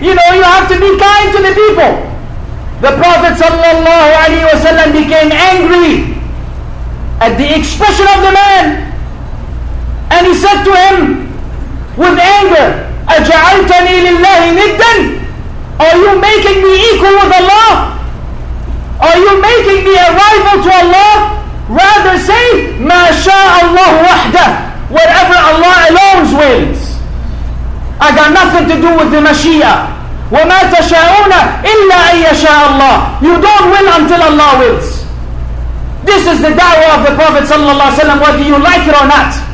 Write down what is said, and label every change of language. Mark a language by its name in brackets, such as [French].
[English] You know, you have to be kind to the people. The Prophet sallallahu alaihi wasallam became angry at the expression of the man, and he said to him with anger, [Arabic] أَجَعَلْتَنِي لِلَّهِ نِدًا. [English] Are you making me equal with Allah? Are you making me a rival to Allah? Rather say, [Arabic] مَا شَاءَ اللَّهُ وَحْدَهُ. [English] Whatever Allah alone wills. I got nothing to do with the Mashiach. [Arabic] وَمَا تَشَاءُونَ إِلَّا أَن يَشَاءَ اللَّهُ. [English] You don't will until Allah wills. This is the da'wah of the Prophet sallallahu alaihi wasallam, whether you like it or not.